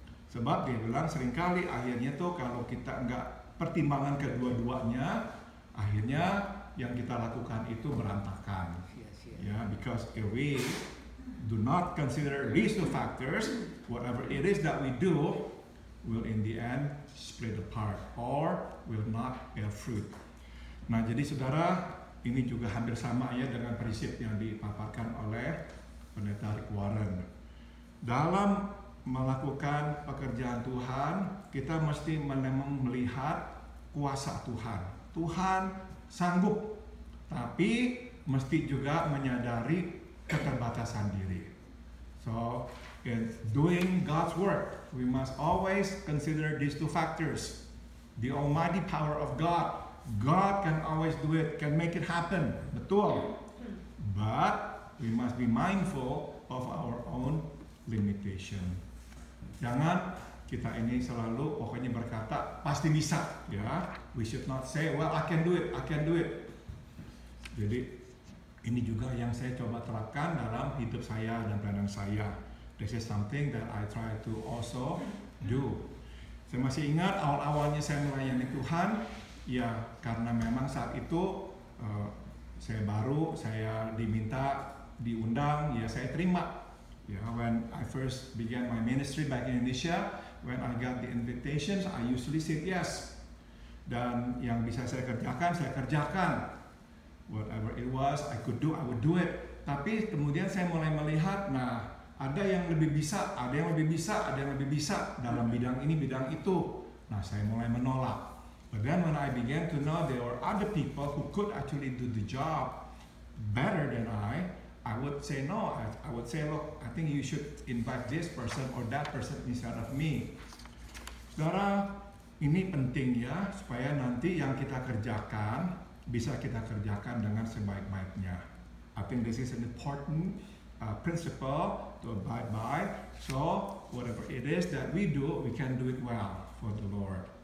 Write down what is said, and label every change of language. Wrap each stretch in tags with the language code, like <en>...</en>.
<id>Sebab dia bilang seringkali akhirnya tuh kalau kita enggak pertimbangan kedua-duanya, akhirnya yang kita lakukan itu berantakan.</id> <en>Yeah, because if we do not consider these two factors, whatever it is that we do, will in the end split apart or will not bear fruit.</en> <id>Nah, jadi saudara, ini juga hampir sama ya dengan prinsip yang dipaparkan oleh Pendeta Rick Warren. Dalam melakukan pekerjaan Tuhan, kita mesti memang melihat kuasa Tuhan. Tuhan sanggup, tapi mesti juga menyadari keterbatasan diri.</id> <en>So, in doing God's work, we must always consider these two factors. The almighty power of God. God can always do it, can make it happen. Betul. But we must be mindful of our own limitation.</en> <id>Jangan kita ini selalu pokoknya berkata pasti bisa, ya.</id> <en>We should not say, well, I can do it.</en> <id>Jadi ini juga yang saya coba terapkan dalam hidup saya dan pelayanan saya.</id> <en>This is something that I try to also do.</en> <id>Saya masih ingat awal-awalnya saya melayani Tuhan, ya, karena memang saat itu saya baru, saya diminta, diundang, ya, saya terima.</id> <en>Ya, when I first began my ministry back in Indonesia, when I got the invitations, I usually said yes.</en> <id>Dan yang bisa saya kerjakan, saya kerjakan.</id> <en>Whatever it was, I could do, I would do it.</en> <id>Tapi kemudian saya mulai melihat, nah, ada yang lebih bisa, ada yang lebih bisa, ada yang lebih bisa dalam bidang ini, bidang itu. Nah, saya mulai menolak.</id> <en>But then when I began to know there were other people who could actually do the job better than I would say no. I would say, look, I think you should invite this person or that person instead of me.</en> <id>Saudara, ini penting ya, supaya nanti yang kita kerjakan bisa kita kerjakan dengan sebaik-baiknya.</id> <en>I think this is an important principle to abide by. So, whatever it is that we do, we can do it well for the Lord.</en>